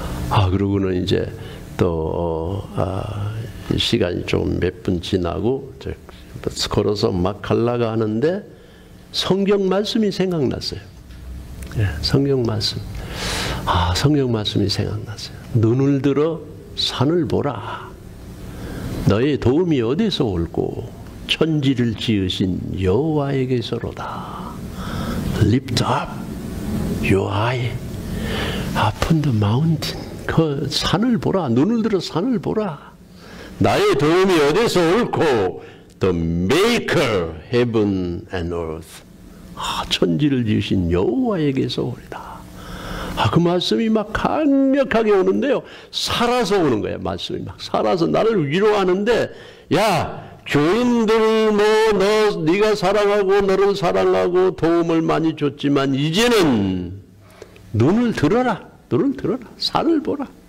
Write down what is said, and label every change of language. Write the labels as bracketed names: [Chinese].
[Korean] 아, 그러고는 이제 또 시간이 좀몇분 지나고 저 걸어서 막 갈라가 하는데 성경 말씀이 생각났어요. 예, 성경 말씀. 아, 성경 말씀이 생각났어요. 눈을 들어 산을 보라. 너의 도움이 어디서 올고? 천지를 지으신 여호와에게서로다. [English] Lift up your eye upon the mountain. [Korean] 그 산을 보라. 눈을 들어 산을 보라. 나의 도움이 어디서 올고? [English] The maker, heaven and earth. [Korean] 아, 천지를 지으신 여호와에게서 오리다. 아, 그 말씀이 막 강력하게 오는데요. 살아서 오는 거예요. 말씀이 막 살아서 나를 위로하는데, 야, 교인들 뭐, 네가 사랑하고 너를 사랑하고 도움을 많이 줬지만 이제는 눈을 들어라, 눈을 들어라, 산을 보라.